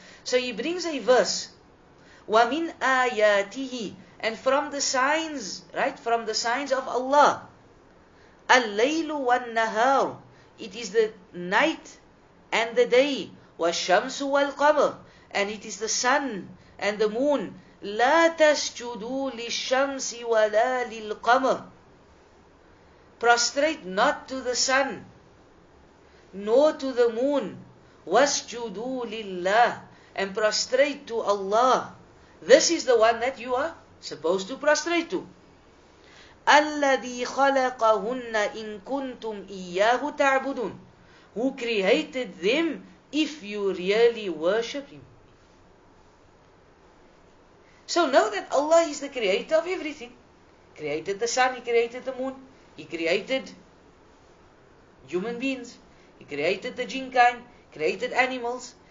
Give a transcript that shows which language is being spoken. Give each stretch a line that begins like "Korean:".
English: So he brings a verse.
Arabic: وَمِنْ آيَاتِهِ.
English: And from the signs, right, from the signs of Allah,
Arabic: اللَّيْلُ وَالنَّهَارُ.
English: It is the night and the day.
Arabic: وَالشَّمْسُ وَالْقَمَرُ.
English: And it is the sun and the moon.
Arabic: لا تسجدوا للشمس ولا للقمر.
English: Prostrate not to the sun, nor to the moon.
Arabic: واسجدوا لله.
English: And prostrate to Allah. This is the one that you are supposed to prostrate to.
Arabic: الذي خلقهن إن كنتم إياه تعبدون.
English: Who created them if you really worship Him. So know that Allah is the creator of everything. He created the sun, He created the moon, He created human beings, He created the jinn kind, created animals.